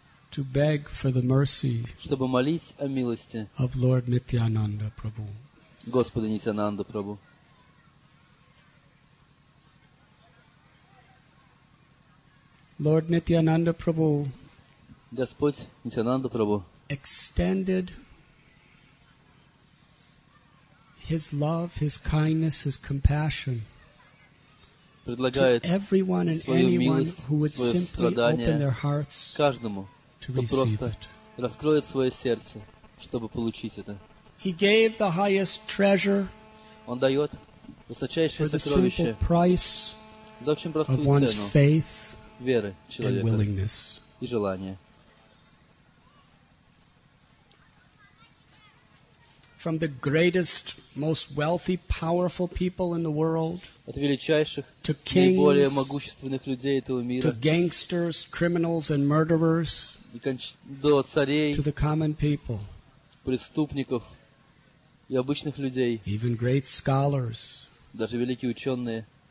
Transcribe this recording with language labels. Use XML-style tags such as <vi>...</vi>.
<en>to beg for the mercy</en> <ru>чтобы молить о милости</ru> <en>of Lord Nityananda Prabhu.</en> <ru>Господа Нитянанда Прабху.</ru> <en>Lord Nityananda Prabhu</en> <ru>Господь Нитянанда Прабху</ru> <en>extended His love, His kindness, His compassion to everyone and anyone who would simply open their hearts</en> <ru>каждому,</ru> <en>to receive it.</en> <ru>Раскроет свое сердце, чтобы получить это.</ru> <en>He gave the highest treasure</en> <ru>Он дает высочайшее</ru> <en>for the simple price</en> <ru>за очень простую</ru> <en>of one's</en> <ru>цену,</ru> <en>faith</en> <ru>веры человека,</ru> <en>and willingness.</en> <ru>И желание.</ru> <en>From the greatest, most wealthy, powerful people in the world,</en> <ru>от величайших,</ru> <en>to kings,</en> <ru>наиболее могущественных людей этого мира,</ru> <en>to gangsters, criminals, and murderers,</en> <ru>до царей,</ru> <en>to the common people,</en> <ru>преступников и обычных людей,</ru> <en>even great scholars,</en> <ru>даже великие ученые.</ru>